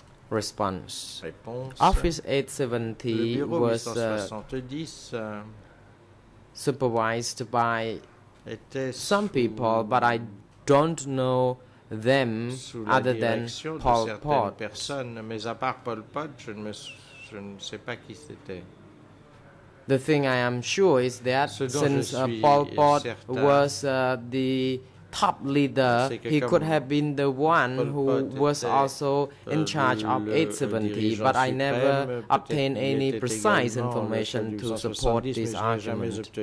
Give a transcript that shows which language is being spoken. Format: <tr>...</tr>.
<en>Response.</en> <fr>Réponse.</fr> <en>Office 870 was 870, supervised by some people, but I don't know them other than Pol Pot.</en> <fr>Mais à part Pol Pot, je ne sais pas qui c'était.</fr> <en>The thing I am sure is that since Pol Pot was the top leader, he could have been the one who was also in charge of 870, but I never obtained any precise information to support this argument.</en>